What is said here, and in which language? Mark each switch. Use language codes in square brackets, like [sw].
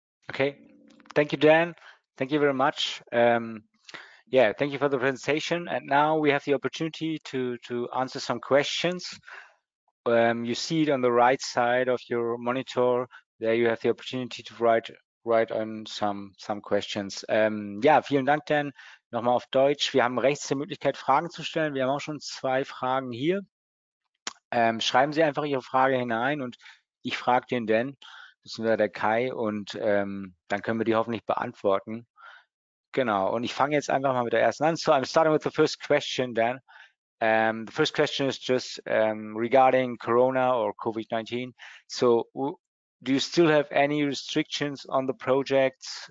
[en] Okay. Thank you, Dan. Thank you very much. Thank you for the presentation. And now we have the opportunity to answer some questions. You see it on the right side of your monitor. There you have the opportunity to write on some questions. [de] Vielen Dank, Dan. Nochmal auf Deutsch. Wir haben rechts die Möglichkeit, Fragen zu stellen. Wir haben auch schon zwei Fragen hier. Schreiben Sie einfach Ihre Frage hinein und ich frage den Dan, beziehungsweise der Kai, und dann können wir die hoffentlich beantworten. Genau, und ich fange jetzt einfach mal mit der ersten an. [en] So, I'm starting with the first question, Dan. The first question is just regarding Corona or COVID-19. So, do you still have any restrictions on the project?